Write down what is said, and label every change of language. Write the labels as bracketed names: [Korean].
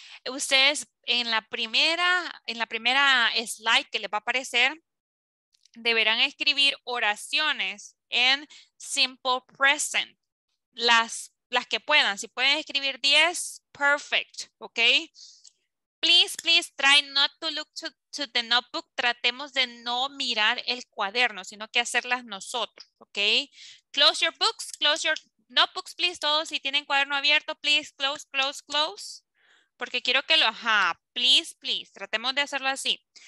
[Spanish] Ustedes en la primera slide que les va a aparecer, deberán escribir oraciones en simple present. Las que puedan, si pueden escribir 10, perfect, ok. [English] Please try not to look to the notebook. [Spanish] Tratemos de no mirar el cuaderno, sino que hacerlas nosotros, ok. [English] Close your notebooks, please, todos. [Spanish] Si tienen cuaderno abierto, [English] please close. [Spanish] porque quiero que lo, ajá, please, please, tratemos de hacerlo así.